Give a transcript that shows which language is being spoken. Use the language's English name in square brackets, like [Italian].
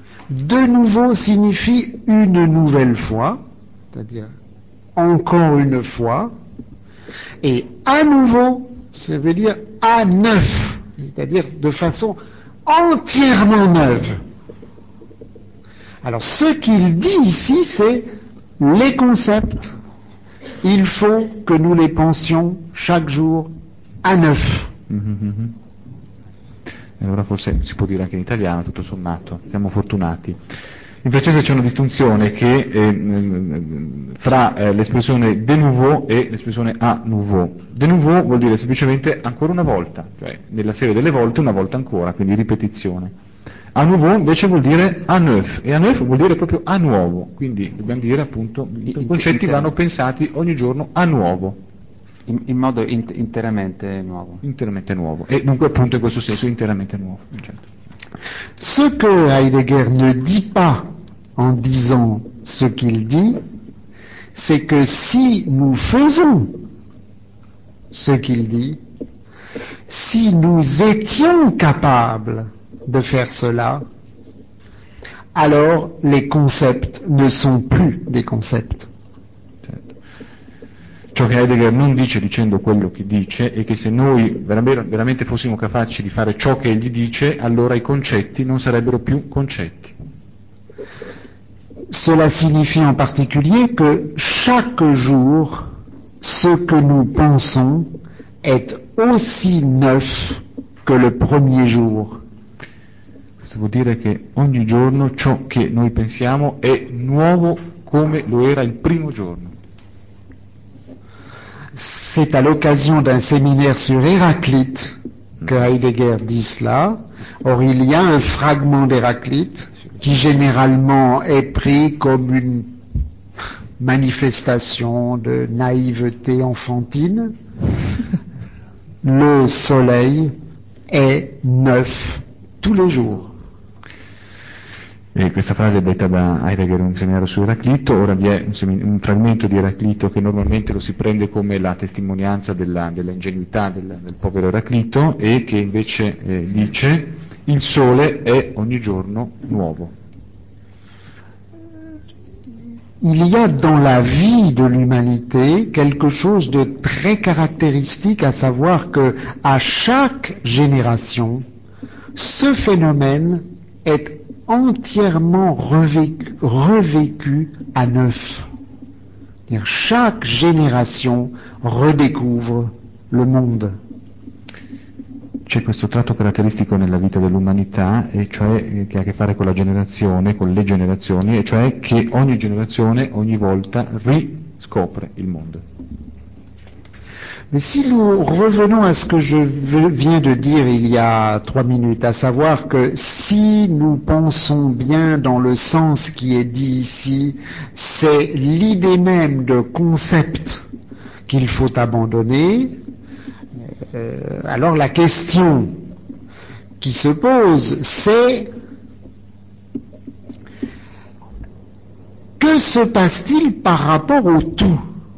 [French] De nouveau signifie une nouvelle fois, c'est-à-dire encore une fois, et à nouveau, ça veut dire à neuf, c'est-à-dire de façon entièrement neuve. Alors ce qu'il dit ici, c'est les concepts, il faut que nous les pensions chaque jour à neuf. [Italian] Allora forse si può dire anche in italiano, tutto sommato, siamo fortunati. In francese c'è una distinzione che fra l'espressione [French] de nouveau [Italian] e l'espressione [French] à nouveau. De nouveau [Italian] vuol dire semplicemente ancora una volta, cioè nella serie delle volte una volta ancora, quindi ripetizione. [French] À nouveau [Italian] invece vuol dire [French] à neuf, [Italian] e à neuf vuol dire proprio a nuovo, quindi dobbiamo dire appunto i concetti vanno pensati ogni giorno a nuovo. In modo interamente nuovo. Interamente nuovo. E dunque appunto in questo senso interamente nuovo. Certo. [French] Ce que Heidegger ne dit pas en disant ce qu'il dit, c'est que si nous faisons ce qu'il dit, si nous étions capables de faire cela, alors les concepts ne sont plus des concepts. [Italian] Ciò che Heidegger non dice dicendo quello che dice è che se noi veramente fossimo capaci di fare ciò che egli dice, allora i concetti non sarebbero più concetti. [French] Cela signifie en particulier que chaque jour ce que nous pensons est aussi neuf que le premier jour. [Italian] Questo vuol dire che ogni giorno ciò che noi pensiamo è nuovo come lo era il primo giorno. [French] C'est à l'occasion d'un séminaire sur Héraclite que Heidegger dit cela. Or, il y a un fragment d'Héraclite qui généralement est pris comme une manifestation de naïveté enfantine. Le soleil est neuf tous les jours. [Italian] E questa frase è detta da Heidegger in un seminario su Eraclito. Ora vi è un frammento di Eraclito che normalmente lo si prende come la testimonianza della ingenuità del povero Eraclito, e che invece dice: il sole è ogni giorno nuovo. [French] Il y a dans la vie de l'humanité quelque chose de très caractéristique, à savoir que à chaque génération ce phénomène est entièrement revécu à neuf. C'est-à-dire chaque génération redécouvre le monde. [Italian] C'è questo tratto caratteristico nella vita dell'umanità, e cioè che ha a che fare con la generazione, con le generazioni, e cioè che ogni generazione ogni volta riscopre il mondo. [French] Mais si nous revenons à ce que je viens de dire il y a trois minutes, à savoir que si nous pensons bien dans le sens qui est dit ici, c'est l'idée même de concept qu'il faut abandonner, alors la question qui se pose, c'est que se passe-t-il par rapport au tout ?